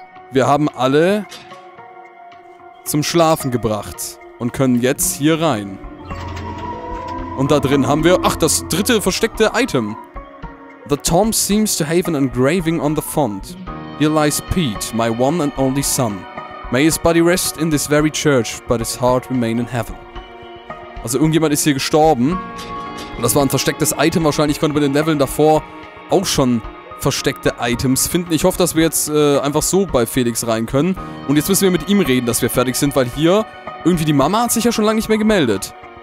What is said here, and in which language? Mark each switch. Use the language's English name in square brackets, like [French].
[German] Wir haben alle zum Schlafen gebracht und können jetzt hier rein. Und da drin haben wir, ach, das dritte versteckte Item. [English] The tomb seems to have an engraving on the font. Here lies Pete, my one and only son. May his body rest in this very church, but his heart remain in heaven. [German] Also irgendjemand ist hier gestorben. Und das war ein verstecktes Item wahrscheinlich. Ich konnte bei den Leveln davor auch schon versteckte Items finden. Ich hoffe, dass wir jetzt einfach so bei Felix rein können. Und jetzt müssen wir mit ihm reden, dass wir fertig sind, weil hier irgendwie die Mama hat sich ja schon lange nicht mehr gemeldet.